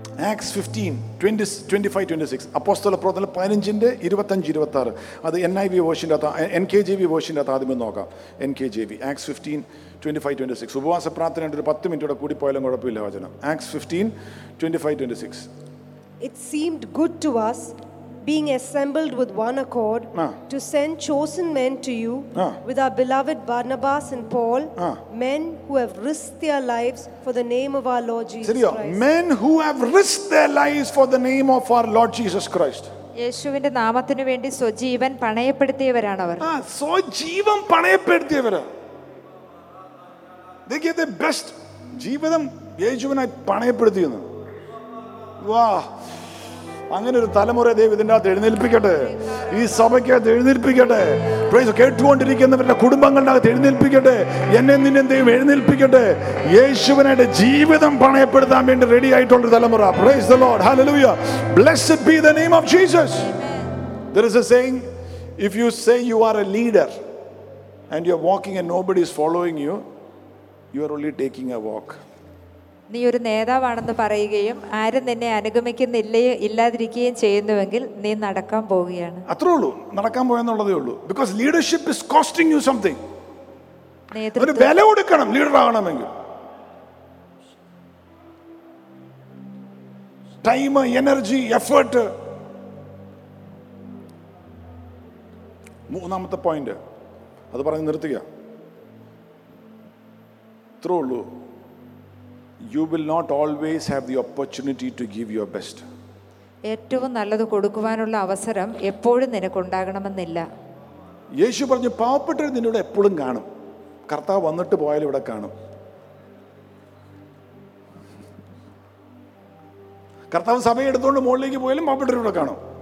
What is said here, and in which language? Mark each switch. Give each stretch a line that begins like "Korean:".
English: Acts 15, 20, 25, 26. Apostle Prothana 15, 25, 26.
Malayalam: അത് N I V വേർഷൻ്റെ അകത്ത്, N K J V വേർഷൻ്റെ അകത്ത് ആദ്യമേ നോക്കാം. N K J V ax 15, 25, 26. ഉപവാസ പ്രാർത്ഥന ഒരു 10 മിനിറ്റോടെ കൂടി പോയാലും കുഴപ്പമില്ല വചനം. Ax 15, 25, 26.
English: It seemed good to us, being assembled with one accord, to send chosen men to you, with our beloved Barnabas and Paul, men who have risked their lives for the name of our Lord Jesus Christ. Men who have risked their lives for the name of our Lord Jesus Christ.
Malayalam: യേശുവിന്റെ നാമത്തിന് വേണ്ടി സ്വജീവൻ പണയപ്പെടുത്തിയവരാണ് അവർ. സ്വജീവൻ പണയപ്പെടുത്തിയവർ.
English: They gave their best.
Malayalam: ജീവിതം യേശുവിനായി പണയപ്പെടുത്തിയിരുന്നു. വാ, അങ്ങനെ ഒരു തലമുറ ദൈവം ഇതിൻ്റെ അകത്ത് എഴുന്നേൽപ്പിക്കട്ടെ, ഈ സഭയ്ക്ക് അകത്ത് എഴുന്നേൽപ്പിക്കട്ടെ. പ്രൈസ്, കേട്ടുകൊണ്ടിരിക്കുന്നവരുടെ കുടുംബങ്ങളുടെ അകത്ത് എഴുന്നേൽപ്പിക്കട്ടെ, എന്നെ നിന്നെ ദൈവം എഴുന്നേൽപ്പിക്കട്ടെ. യേശുവിനായിട്ട് ജീവിതം പണയപ്പെടുത്താൻ വേണ്ടി റെഡി ആയിട്ടുള്ളൊരു തലമുറ.
English: Praise the Lord, hallelujah, blessed be the name of Jesus. There is a saying, if you say you are a leader and you are walking and nobody is following you, you are only taking a walk.
Malayalam: നീ ഒരു നേതാവാണെന്ന് പറയുകയും ആരും നിന്നെ അനുഗമിക്കുന്നില്ലയോ ഇല്ലാതിരിക്കുകയും ചെയ്യുന്നുവെങ്കിൽ നീ നടക്കാൻ പോവുകയാണ്. അത്രേ ഉള്ളൂ, നടക്കാൻ പോയെന്നുള്ളതേ ഉള്ളൂ.
English: Because leadership is costing you something.
Malayalam: നേതൃത്വം ഒരു വില കൊടുക്കണം ലീഡർ ആകണമെങ്കിൽ.
English: Time, energy, effort.
Malayalam: മൂന്നാമത്തെ പോയിന്റ് അത് പറഞ്ഞ് നിർത്തുക, അത്രേ ഉള്ളൂ.
English: You will not always have the opportunity to give your best.
Malayalam: ഏറ്റവും നല്ലത് കൊടുക്കുവാനുള്ള അവസരം എപ്പോഴും നിനക്ക് ഉണ്ടാകണമെന്നില്ല. യേശു പറഞ്ഞു, പാവപ്പെട്ടവർ നിന്നെ ഇവിടെ എപ്പോഴും കാണും, കർത്താവ് വന്നിട്ട് പോയാലും ഇവിടെ കാണും. കർത്താവ് സമയം എടുത്തുകൊണ്ട് മുകളിലേക്ക് പോയാലും പാവപ്പെട്ടവർ ഇവിടെ കാണും.